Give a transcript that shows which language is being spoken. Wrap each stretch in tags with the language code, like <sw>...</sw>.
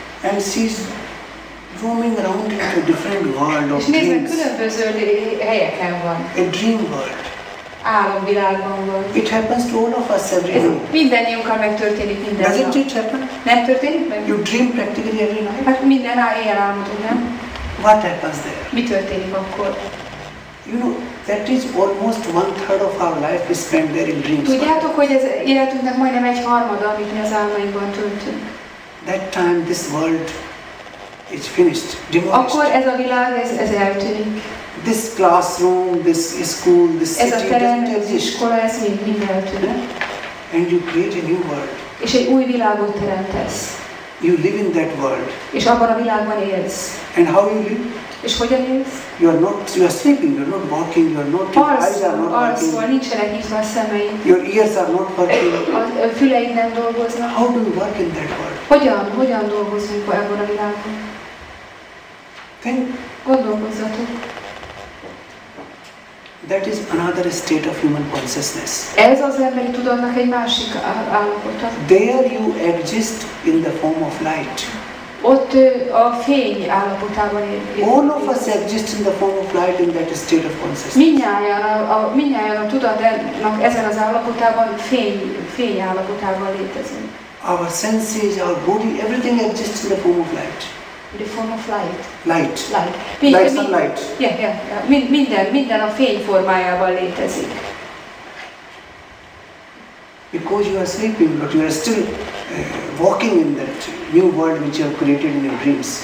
<en>And she's roaming around in a different world of</en> <hu>dreams. És nézzen, különböző helyeken van.</hu> <en>A dream world.</en> <hu>Álomvilágban van.</hu> <en>It happens to all of us every night.</en> <hu>Ez mindannyiunkkal megtörténik minden nap.</hu> <en>Doesn't it happen?</en> <hu>Nem történik meg?</hu> <en>You dream practically every night?</en> <hu>Hát minden éjjel álmodunk, nem?</hu> <en>What happens there?</en> <hu>Mi történik akkor?</hu> <en>You know, that is almost one third of our life is spent there in dreams.</en> <hu>Tudjátok, hogy ez életünknek majdnem egy harmada, amit mi az álmainkban töltünk.</hu> <en>That time this world is finished, demolished.</en> <hu>Akkor ez a világ, ez eltűnik.</hu> <en>This classroom, this school, this</en> <hu>ez</hu> <en>city,</en> <hu>a terem, ez iskola, ez mind eltűnik.</hu> <en>And you create a new world.</en> <hu>És egy új világot teremtesz.</hu> <en>You live in that world.</en> <hu>És abban a világban élsz.</hu> <en>And how you live?</en> <hu>És hogyan élsz?</hu> <en>You are sleeping, you are not walking, you are not, your eyes are not working.</en> <hu>Arszol, nincsenek nyitva a szemeid.</hu> <en>Your ears are not working.</en> <hu>A füleid nem dolgoznak.</hu> <en>How do you work in that world?</en> <hu>Hogyan dolgozunk ebben a világban?</hu> <en>Think.</en> <hu>Gondolkozzatok.</hu> <en>That is another state of human consciousness.</en> <hu>Ez az emberi tudatnak egy másik állapota.</hu> <en>There you exist in the form of light.</en> <hu>Ott a fény állapotában érünk.</hu> <en>All of us exist in the form of light in that state of consciousness.</en> <hu>Mindnyájan a tudatnak ezen az állapotában fény állapotában létezünk.</hu> <en>Our senses, our body, everything exists in the form of light. The form of light. Light. Light. Light and light. Yeah.</en> <hu>Minden a fény formájában létezik.</hu> <en>Because you are sleeping, but you are still walking in that. new world which you have created in your dreams.</en>